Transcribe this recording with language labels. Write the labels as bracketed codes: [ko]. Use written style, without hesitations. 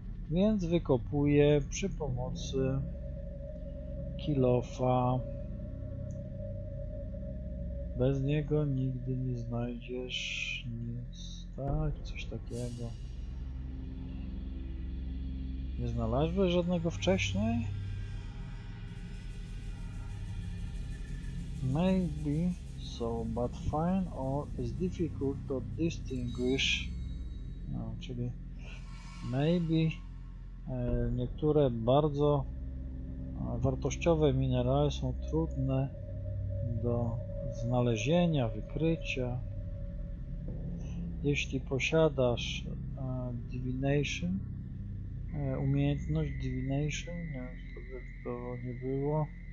[pl] Więc wykopuję przy pomocy kilofa. Bez niego nigdy nie znajdziesz nic, tak? Coś takiego. Nie znalazłeś żadnego wcześniej? [en] Maybe so, but fine or is difficult to distinguish. [pl] No, czyli maybe niektóre bardzo wartościowe minerały są trudne do znalezienia, wykrycia. Jeśli posiadasz divination, umiejętność divination, nie wiem, czy to nie było.